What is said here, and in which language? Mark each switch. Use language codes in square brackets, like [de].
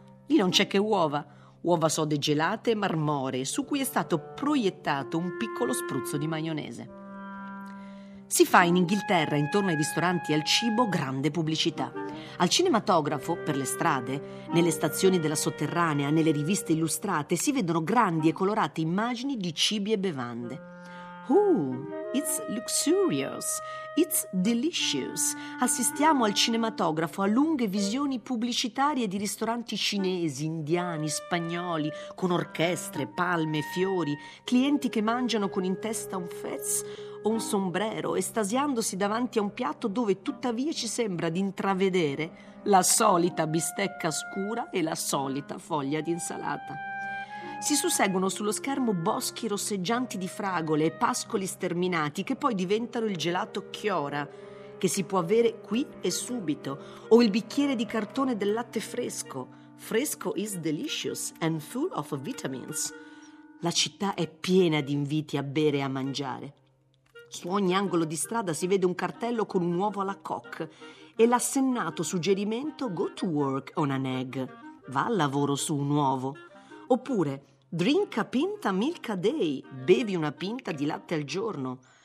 [it] Lì non c'è che uova, uova sode gelate e marmore, su cui è stato proiettato un piccolo spruzzo di maionese. Si fa in Inghilterra, intorno ai ristoranti e al cibo, grande pubblicità. Al cinematografo, per le strade, nelle stazioni della sotterranea, nelle riviste illustrate, si vedono grandi e colorate immagini di cibi e bevande. [en] It's luxurious, it's delicious. [it] Assistiamo al cinematografo a lunghe visioni pubblicitarie di ristoranti cinesi, indiani, spagnoli, con orchestre, palme, fiori, clienti che mangiano con in testa un fez o un sombrero, estasiandosi davanti a un piatto dove tuttavia ci sembra di intravedere la solita bistecca scura e la solita foglia di insalata. Si susseguono sullo schermo boschi rosseggianti di fragole e pascoli sterminati che poi diventano il gelato Chiora, che si può avere qui e subito, o il bicchiere di cartone del latte fresco. [en] Fresco is delicious and full of vitamins. [it] La città è piena di inviti a bere e a mangiare. Su ogni angolo di strada si vede un cartello con un uovo alla coque e l'assennato suggerimento [en] go to work on an egg. [it] Va al lavoro su un uovo. Oppure, [en] drink a pinta milk a day, [it] bevi una pinta di latte al giorno.